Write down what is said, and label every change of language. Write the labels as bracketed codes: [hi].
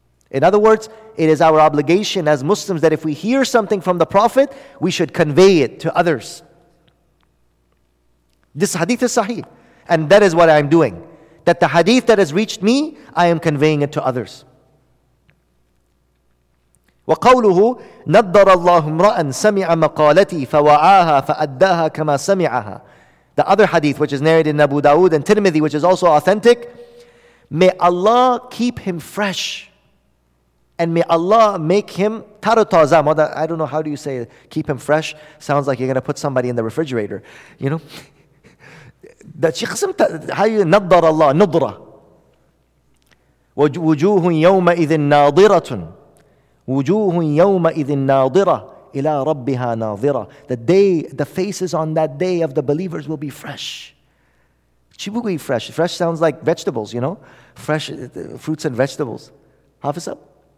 [en] In other words, it is our obligation as Muslims that if we hear something from the Prophet, we should convey it to others. This hadith is sahih, and that is what I'm doing. That the hadith that has reached me, I am conveying it to others. [ar] وقوله نضر الله امرأ سمع مقالتي فوعاها فأداها كما سمعها. [en] The other hadith, which is narrated in Abu Dawood and Tirmidhi, which is also authentic. May Allah keep him fresh. And may Allah make him tarotaza. I don't know, how do you say it? Keep him fresh? Sounds like you're going to put somebody in the refrigerator. You know? How do you [ar] نضر الله نضرة وجوه يومئذ ناضرة وجوه يومئذ ناضرة إلى ربها ناظرة. [en] The day, the faces on that day of the believers will be fresh. Chibugui fresh. Fresh sounds like vegetables, you know? Fresh fruits and vegetables. Hafiz up?